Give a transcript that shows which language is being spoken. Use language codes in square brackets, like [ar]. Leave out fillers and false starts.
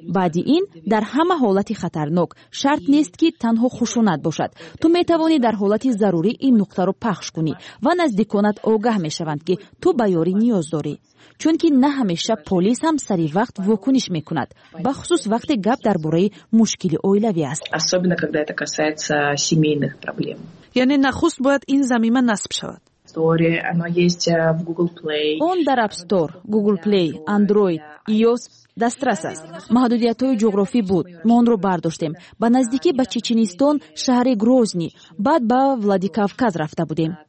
[fa] بعد این در همه حالت خطرناک، شرط نیست که تنها خشونت باشد. تو میتوانی در حالت ضروری این نقطه رو پخش کنی و نزدیکانت آگاه میشوند که تو به یاری نیاز داری. چون که نه همیشه پلیس هم سری وقت واکنش میکند، به خصوص وقتی گپ درباره مشکل اویلوی است. [ru] особенно когда это касается семейных проблем. [fa] یعنی نخست باید این زمینه نصب شود. اون در اپ استور، گوگل پلی، اندروید، iOS دسترس است. محدودیت‌های جغرافی بود. ما اون رو برداشتیم. با نزدیکی به چچنستان، شهر گروزنی، بعد با ولادیکافکاز رفته بودیم.